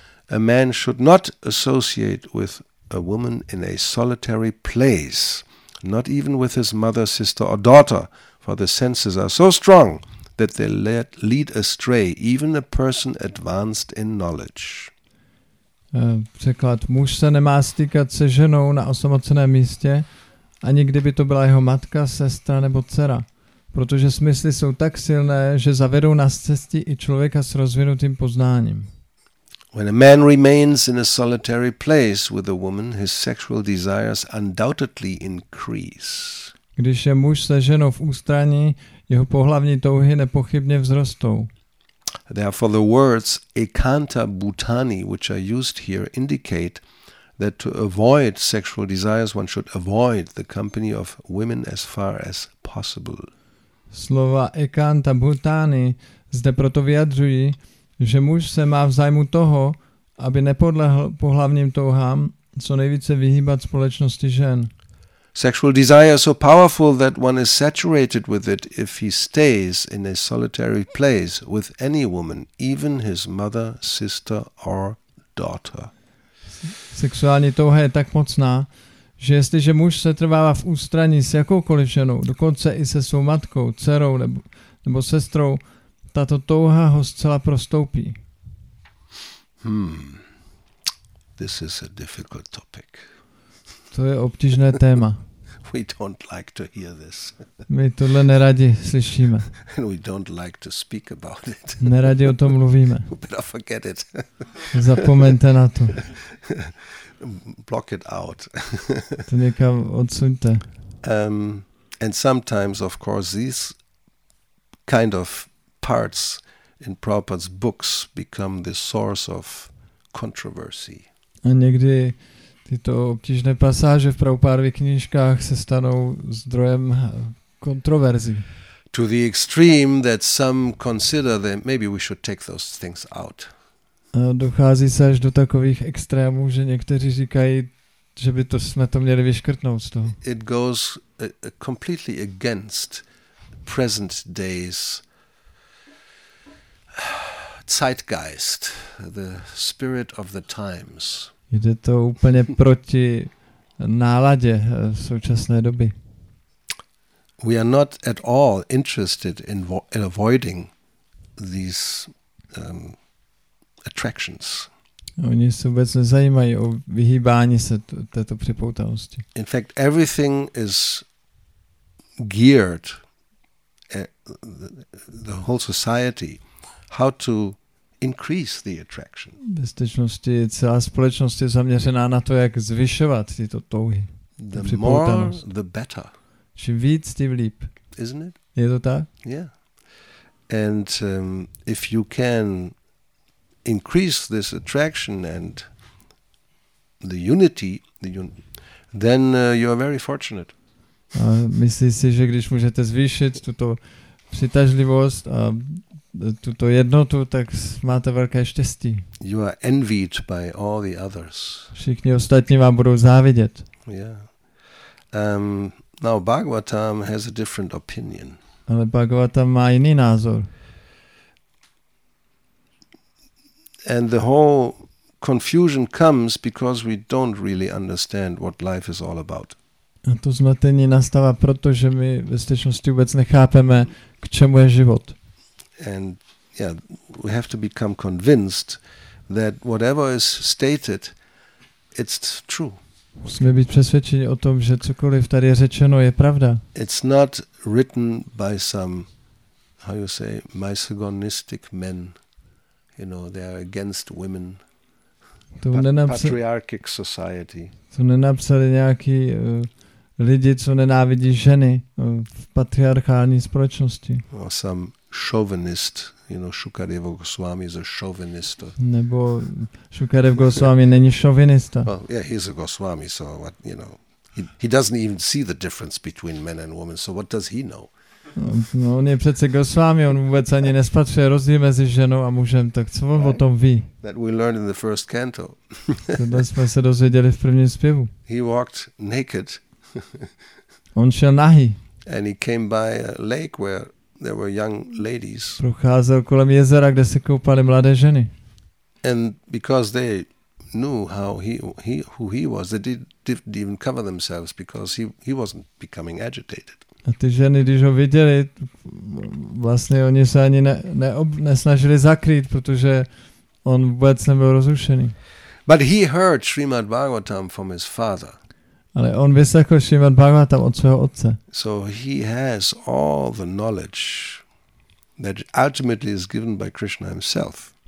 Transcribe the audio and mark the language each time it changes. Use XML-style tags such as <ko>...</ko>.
<en>A man should not associate with a woman in a solitary place, not even with his mother, sister or daughter, for the senses are so strong that they lead astray even a person advanced in knowledge.</en> <cs>Překlad, muž se nemá stýkat se ženou na osamoceném místě, ani kdyby to byla jeho matka, sestra nebo dcera, protože smysly jsou tak silné, že zavedou na cestě i člověka s rozvinutým poznáním.</cs> <en>When a man remains in a solitary place with a woman, his sexual desires undoubtedly increase.</en> <cs>Když je muž se ženou v ústraní, jeho pohlavní touhy nepochybně vzrostou.</cs> <en>Therefore the words ekanta bhutani, which are used here, indicate that to avoid sexual desires one should avoid the company of women as far as possible.</en> <cs>Slova ekanta bhutani zde proto vyjadřují, že muž se má v zájmu toho, aby nepodlehl pohlavním touhám, co nejvíce vyhýbat společnosti žen.</cs> <en>Sexual desire is so powerful that one is saturated with it if he stays in a solitary place with any woman, even his mother, sister or daughter.</en> <cs>Sexuální touha je tak mocná, že jestliže muž se trvává v ústraní s jakoukoliv ženou, dokonce i se svou matkou, dcerou nebo sestrou, tato touha ho zcela prostoupí.</cs> <en>This is a difficult topic.</en> <cs>To je obtížné téma.</cs> <en>We don't like to hear this.</en> <cs>My tohle neradi slyšíme.</cs> <en>We don't like to speak about it.</en> <cs>Neradi o tom mluvíme.</cs> <en>Better forget it.</en> <cs>Zapomeňte na to.</cs> <en>Block it out.</en> <cs>To někam odsuňte.</cs> <en>And sometimes, of course, these kind of parts in Prabhupada's books become the source of controversy.</en> <cs>A někdy tyto obtížné pasáže v Prabhupádových knížkách se stanou zdrojem kontroverzí.</cs> <en>To the extreme that some consider that maybe we should take those things out.</en> <cs>A dochází se až do takových extrémů, že někteří říkají, že by to jsme to měli vyškrtnout z toho.</cs> <en>It goes completely against present days Zeitgeist, the spirit of the times.</en> <cs>Jde to úplně proti náladě současné doby.</cs> <en>We are not at all interested in avoiding these attractions.</en> <cs>Oni se vůbec nezajímají o vyhýbání se této připoutanosti.</cs> <en>In fact, everything is geared, the whole society, how to increase the attraction.</en> <cs>Ve skutečnosti celá společnost je zaměřená na to, jak zvyšovat tyto touhy.</cs> <en>The more, the better.</en> <cs>Čím víc, tím líp.</cs> <en>Isn't it?</en> <cs>Je to tak?</cs> <en>Yeah. And if you can increase this attraction and the unity, then you are very fortunate.</en> <cs>A myslíš si, že když můžete zvýšit tuto přitažlivost a tuto jednotu, tak máte velké štěstí.</cs> <en>You are envied by all the others.</en> <cs>Všichni ostatní vám budou závidět.</cs> <en>Yeah. Now Bhagavatam has a different opinion.</en> <cs>Ale Bhagavatam má jiný názor.</cs> <en>And the whole confusion comes because we don't really understand what life is all about.</en> <cs>A to zmatení nastává proto, že my ve skutečnosti vůbec nechápeme, k čemu je život.</cs> <en>And yeah, we have to become convinced that whatever is stated, it's true.</en> <cs>Musíme být přesvědčeni o tom, že cokoliv tady je řečeno, je pravda.</cs> <en>It's not written by some, how you say, misogynistic men. You know, they are against women. Patriarchic society.</en> <cs>To nenapsali nějaký lidi, co nenávidí ženy v patriarchální společnosti.</cs> <en>Or some chauvinist, you know, Shukadev Goswami is a chauvinist.</en> <cs>Nebo Shukadev Goswami není šovinista.</cs> <en>Well, yeah, he's a Goswami, so what, you know, he doesn't even see the difference between men and women, so what does he know?</en> <cs>No, on je přece Goswami, on vůbec ani nespatřuje rozdíl mezi ženou a mužem, tak co on o tom ví?</cs> <en>That we learned in the first canto.</en> <cs>Tohle jsme se dozvěděli v prvním zpěvu.</cs> <en>He walked naked.</en> <cs>On šel nahý.</cs> <en>And he came by a lake where there were young ladies.</en> <cs>Procházel kolem jezera, kde se koupaly mladé ženy.</cs> <en>And because they knew how who he was, they didn't even cover themselves because he wasn't becoming agitated.</en> <cs>A ty ženy, když ho viděli, vlastně oni se ani nesnažili zakrýt, protože on vůbec nebyl rozrušený.</cs> <en>But he heard Srimad Bhagavatam from his father.</en> <cs>Ale on vyslechl Srimad Bhagavatam od svého otce.</cs> <en>So he has all the knowledge that ultimately is given by Krishna himself.</en>